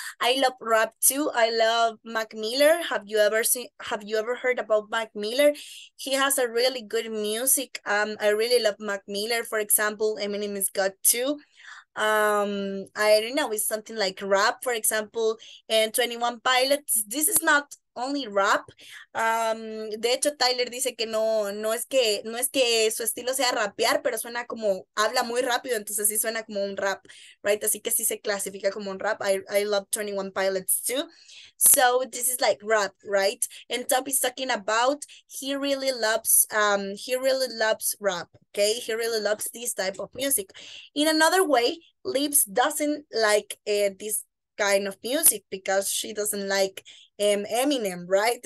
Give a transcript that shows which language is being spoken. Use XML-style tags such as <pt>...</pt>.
<en>I love rap too. I love Mac Miller. Have you ever heard about Mac Miller? He has a really good music. I really love Mac Miller, for example. Eminem is good too. I don't know, it's something like rap, for example, and 21 Pilots. This is not only rap.</en> <es>De hecho, Tyler dice que no es que su estilo sea rapear, pero suena como, habla muy rápido, entonces sí suena como un rap, right? Así que sí se clasifica como un rap.</es> <en>I love 21 Pilots too. So this is like rap, right? And Top is talking about, he really loves rap, okay? He really loves this type of music. In another way, Libs doesn't like this kind of music because she doesn't like Eminem, right?</en>